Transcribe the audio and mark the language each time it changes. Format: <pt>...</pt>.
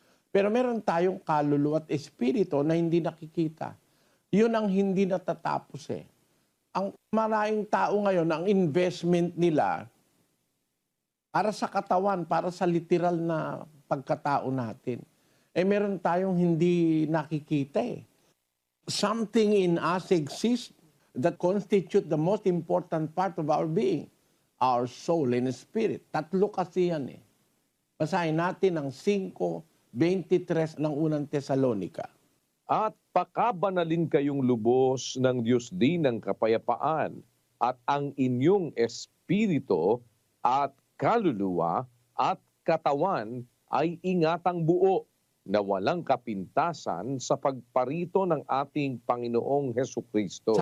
<tl>Pero meron tayong kaluluwa at espiritu na hindi nakikita. Yun ang hindi natatapos eh. Ang maraming tao ngayon, ang investment nila para sa katawan, para sa literal na pagkatao natin, eh meron tayong hindi nakikita eh.</tl> <en>Something in us exists that constitute the most important part of our being, our soul and spirit.</en> <tl>Tatlo kasi yan eh. Basahin natin ang 5:23 ng unang Tesalonika. At pakabanalin kayong lubos ng Diyos din ng kapayapaan at ang inyong espirito at kaluluwa at katawan ay ingatang buo na walang kapintasan sa pagparito ng ating Panginoong Hesukristo.</tl>